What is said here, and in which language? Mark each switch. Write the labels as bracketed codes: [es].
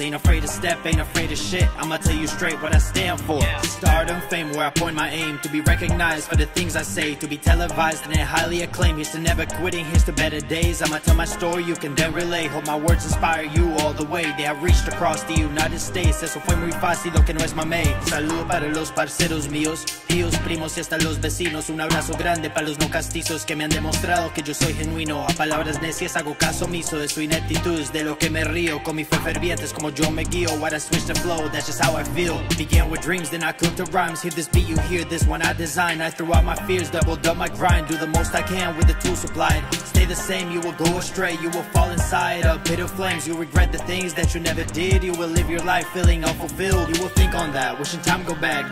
[en] Ain't afraid to step, ain't afraid of shit. I'ma tell you straight what I stand for. Stardom, fame, where I point my aim, to be recognized for the things I say, to be televised and highly acclaimed. Here's to never quitting, here's to better days. I'ma tell my story, you can then relay. Hope my words inspire you all the way. They have reached across the United States. [es] Eso fue muy fácil, lo que no es mame. Salud para los parceros míos, tíos, primos y hasta los vecinos. Un abrazo grande para los no castizos que me han demostrado que yo soy genuino. A palabras necias hago caso omiso de su ineptitud, de lo que me río. Con mi fe ferviente es como yo me guío. [en] What I switch the flow, that's just how I feel. Began with dreams, then I cooked the rhymes. Hear this beat, you hear this one I design. I threw out my fears, doubled up my grind. Do the most I can with the tools supplied. Stay the same, you will go astray. You will fall inside a pit of flames. You'll regret the things that you never did. You will live your life feeling unfulfilled. You will think on that, wishing time go back.